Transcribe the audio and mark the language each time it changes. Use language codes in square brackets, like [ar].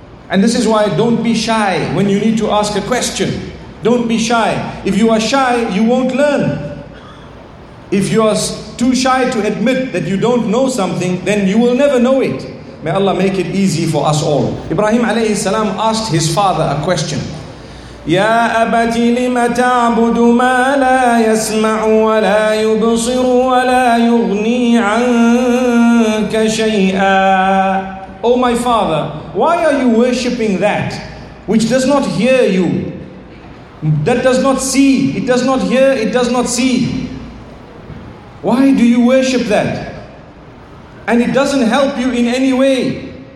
[en] And this is why don't be shy when you need to ask a question. Don't be shy. If you are shy, you won't learn. If you are too shy to admit that you don't know something, then you will never know it. May Allah make it easy for us all. Ibrahim alayhi salam asked his father a question. [ar] يا أبتي لما تعبد ما لا يسمع ولا يبصر ولا يغني عنك شيئا. [en] Oh my father, why are you worshipping that which does not hear you? That does not see, it does not hear, it does not see. Why do you worship that? And it doesn't help you in any way.